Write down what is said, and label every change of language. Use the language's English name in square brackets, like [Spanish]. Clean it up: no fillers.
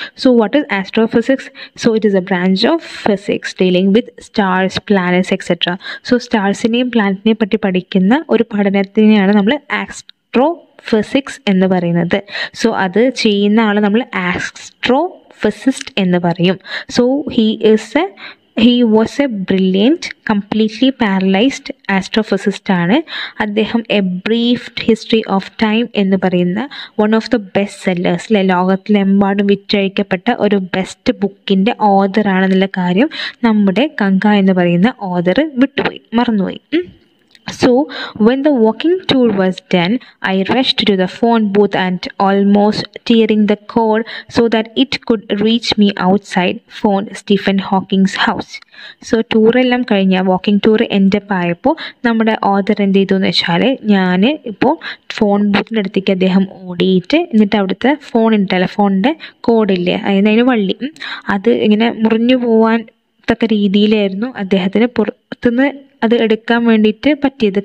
[English] So what is astrophysics? So it is a branch of physics dealing with stars, planets etcetera. [Malayalam] So സ്റ്റാർസിനെയും പ്ലാനറ്റിനെയും പറ്റി പഠിക്കുന്ന ഒരു പഠനത്തിനെയാണ് നമ്മൾ astrophysics എന്ന് പറയുന്നത്. സോ അത് ചെയ്യുന്ന ആൾ നമ്മൾ ആസ്ട്രോഫിസിസ്റ്റ് എന്ന് പറയും. [English] so he is a He was a brilliant, completely paralyzed astrophysicist [Malayalam] ആണ് അദ്ദേഹം. A brief history of time എന്ന് പറയുന്ന [English] one of the best sellers [Malayalam] അല്ലെ, ലോകത്തിലെമ്പാടും വിറ്റഴിക്കപ്പെട്ട ഒരു ബെസ്റ്റ് ബുക്കിൻ്റെ ഓദറാണെന്നുള്ള കാര്യം നമ്മുടെ കങ്ക എന്ന് പറയുന്ന ഓദർ വിട്ടുപോയി, മറന്നുപോയി. [English] So, when the walking tour was done, I rushed to the phone booth and almost tearing the cord so that it could reach me outside phone Stephen Hawking's house. [Malayalam] So ടൂറെല്ലാം കഴിഞ്ഞ walking tour എൻ്റെ പായപ്പോൾ നമ്മുടെ author എന്ത് ചെയ്തു എന്ന് വെച്ചാൽ, ഞാൻ ഇപ്പോൾ phone ബൂത്തിൻ്റെ അടുത്തേക്ക് അദ്ദേഹം ഓടിയിട്ട്, എന്നിട്ട് അവിടുത്തെ ഫോണിൻ്റെ ടെലഫോണിൻ്റെ കോഡില്ലേ, അതായത് അതിന് വള്ളി, അത് ഇങ്ങനെ മുറിഞ്ഞു പോവാൻ തക്ക രീതിയിലായിരുന്നു അദ്ദേഹത്തിന് പുറത്തുനിന്ന് അത് എടുക്കാൻ വേണ്ടിയിട്ട് പറ്റിയത്.